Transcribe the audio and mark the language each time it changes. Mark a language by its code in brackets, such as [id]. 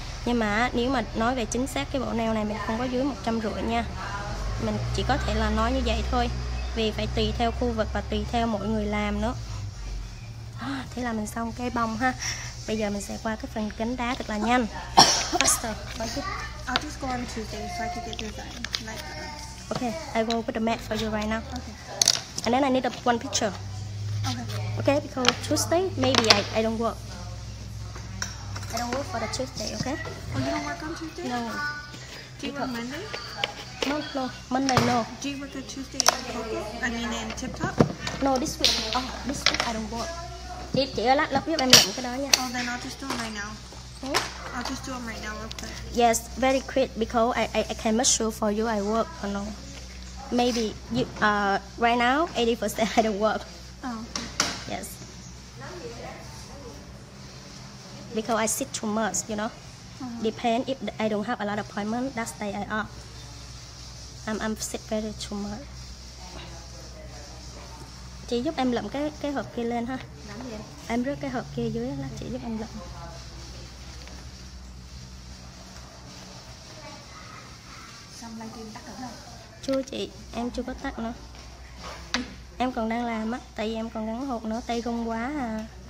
[vi] Nhưng mà nếu mà nói về chính xác, cái bộ nail này mình không có dưới 150 nha. Mình chỉ có thể là nói như vậy thôi, vì phải tùy theo khu vực và tùy theo mỗi người làm nữa. Thế là mình xong cái bông ha. Bây giờ mình sẽ qua cái phần cánh đá thật là nhanh. [en] Faster. I'll just go on Tuesday so I can get your design. Okay, I will put the mat for you right now. Okay. And then I need one picture. Okay. Okay, because Tuesday maybe I don't work. I don't work for the Tuesday, okay? Oh, you don't work on Tuesday? No. Do you work Monday? No, Monday no. Do you work on Tuesday in Tokyo? I mean in Tip Top? No, this week. Oh, this week I don't work. [vi] Thì chị ơi, lát lúc giúp em lượm cái đó nha. [en] Oh, then I'll just do them right now. Hmm? I'll just do them right now, real quick. Yes, very quick, because I can make sure for you I work or no. Maybe, you, right now, 80% I don't work. Oh, okay. Yes. Because I sit too much, you know. Uh-huh. Depend if I don't have a lot of appointment, that's the day I up. I'm sick very too much. [vi] Chị giúp em lượm cái hộp kia lên ha. Em rước cái hộp kia dưới là chị giúp em lượm. Xong lại tìm tắt nữa. Chưa chị, em chưa có tắt nữa. Em còn đang làm á, tại vì em còn gắn hộp nữa, tay run quá à.